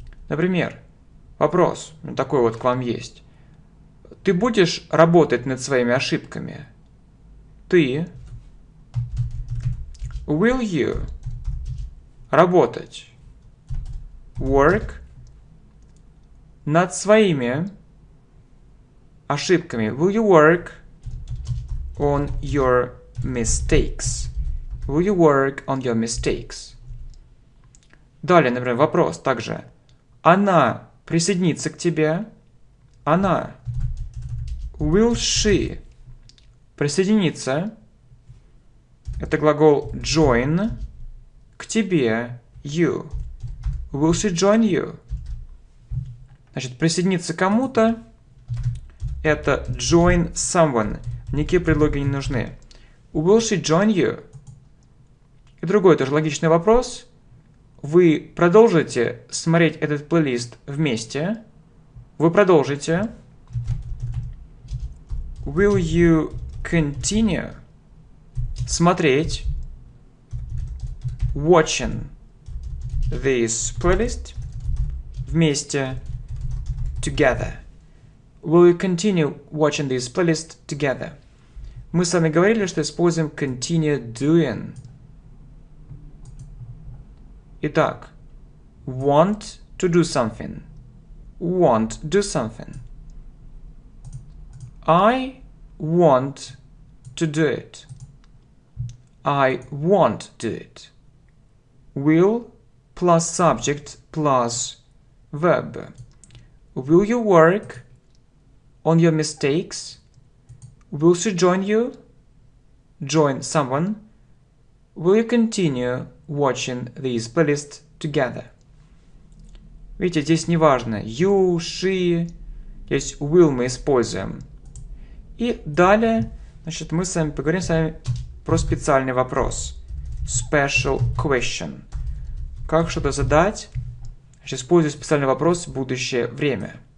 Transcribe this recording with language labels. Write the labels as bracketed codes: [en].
[ru] Например, вопрос такой вот к вам есть. Ты будешь работать над своими ошибками? Ты [en] Will you [ru] работать, work, над своими ошибками? [en] Will you work on your mistakes? Will you work on your mistakes? [ru] Далее, например, вопрос также. Она присоединится к тебе? Она. [en] Will she [ru] присоединиться? Это глагол join к тебе, you. [en] Will she join you? [ru] Значит, присоединиться к кому-то – это [en] join someone. [ru] Никакие предлоги не нужны. [en] Will she join you? [ru] И другой тоже логичный вопрос. Вы продолжите смотреть этот плейлист вместе? Вы продолжите? [en] Will you continue? Смотреть watching this playlist вместе together. Will you continue watching this playlist together? [ru] Мы с вами говорили, что используем continue doing. [en] Итак, want to do something. Want do something. I want to do it. I won't do it. Will plus subject plus verb. Will you work on your mistakes? Will she join you? Join someone. Will you continue watching this playlist together? [ru] Видите, здесь не важно. You, she. Здесь will мы используем. И далее, значит, мы с вами поговорим с вами про специальный вопрос. [en] Special question. [ru] Как что-то задать? Использую специальный вопрос в будущее время.